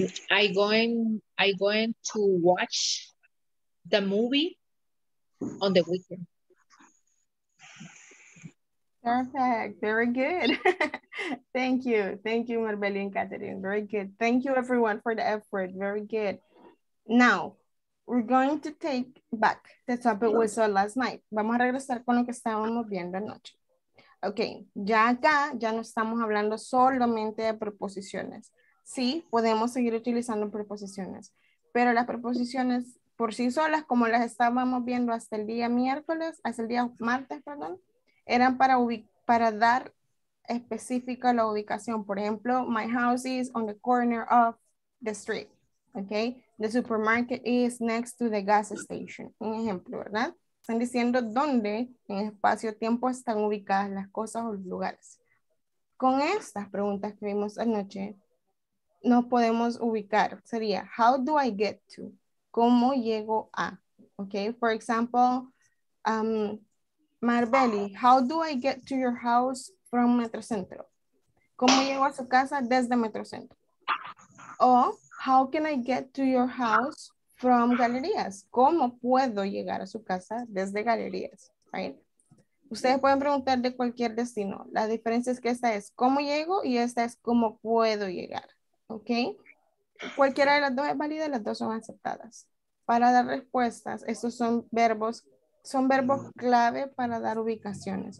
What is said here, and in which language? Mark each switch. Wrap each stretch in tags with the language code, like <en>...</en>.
<en>I'm going to watch the movie on the weekend. Perfect. Very good. Thank you. Thank you, Marbeli and Catherine. Very good. Thank you, everyone, for the effort. Very good. Now, we're going to take back the topic we saw last night.</en> <es>Vamos a regresar con lo que estábamos viendo anoche. Ok, ya acá ya no estamos hablando solamente de preposiciones. Sí, podemos seguir utilizando preposiciones, pero las preposiciones por sí solas, como las estábamos viendo hasta el día miércoles, hasta el día martes, perdón, eran para dar específica la ubicación. Por ejemplo,</es> <en>my house is on the corner of the street. Ok, the supermarket is next to the gas station.</en> <es>Un ejemplo, ¿verdad? Están diciendo dónde en espacio-tiempo están ubicadas las cosas o los lugares. Con estas preguntas que vimos anoche, nos podemos ubicar. Sería,</es> <en>how do I get to?</en> <es>¿Cómo llego a?</es> <en>Ok, for example, Marbeli, how do I get to your house from Metrocentro?</en> <es>¿Cómo llego a su casa desde Metrocentro?</es> <en>O, how can I get to your house from Galerías?</en> <es>¿Cómo puedo llegar a su casa desde Galerías? Right? Ustedes pueden preguntar de cualquier destino. La diferencia es que esta es cómo llego y esta es cómo puedo llegar. ¿Ok? Cualquiera de las dos es válida, las dos son aceptadas. Para dar respuestas, estos son verbos clave para dar ubicaciones.</es>